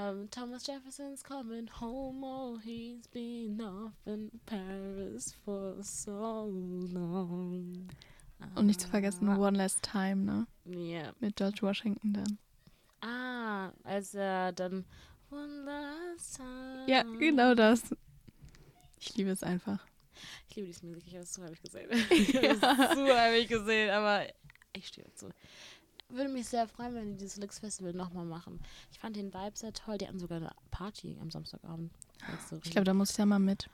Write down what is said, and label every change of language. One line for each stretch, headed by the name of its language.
English: Thomas Jefferson's coming home, oh, he's been off in Paris for so long.
German: Und nicht zu vergessen, One Last Time, ne? Ja.
English: Yeah.
German: Mit George Washington dann. Ah, also dann One Last Time. Ja, genau das. Ich liebe es einfach. Ich liebe dieses Musik, ich habe es zu häufig gesehen. aber ich stehe dazu. Würde mich sehr freuen, wenn die dieses Lux Festival nochmal machen. Ich fand den Vibe sehr toll, die hatten sogar eine Party am Samstagabend. So, ich glaube, da musst du ja mal mit.